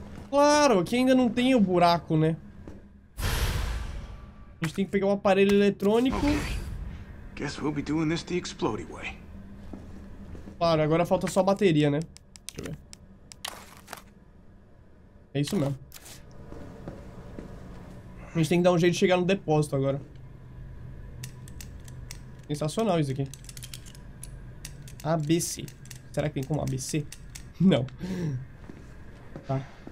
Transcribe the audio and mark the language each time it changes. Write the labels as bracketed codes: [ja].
[pt] Claro, aqui ainda não tem o buraco, né? A gente tem que pegar um aparelho eletrônico. [en] Okay. Guess we'll be doing this the explodey way. [pt] Claro, agora falta só a bateria, né? Deixa eu ver. É isso mesmo. A gente tem que dar um jeito de chegar no depósito agora. Sensacional isso aqui. ABC. Será que tem como ABC? Não. Tá.